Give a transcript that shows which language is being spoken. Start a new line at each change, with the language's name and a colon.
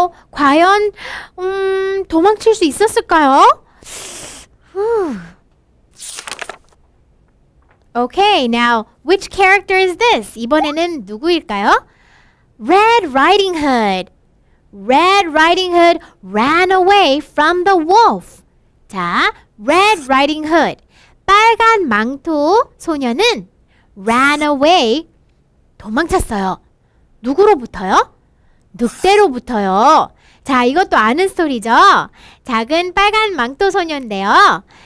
Korean: 과연, 도망칠 수 있었을까요?
English: Okay, now, which character is this?
Korean: 이번에는 누구일까요? Red Riding Hood.
English: Red Riding Hood ran away from the wolf.
Korean: 자, Red Riding Hood. 빨간 망토 소녀는
English: ran away.
Korean: 도망쳤어요. 누구로부터요? 늑대로부터요. 자, 이것도 아는 스토리죠? 작은 빨간 망토 소녀인데요.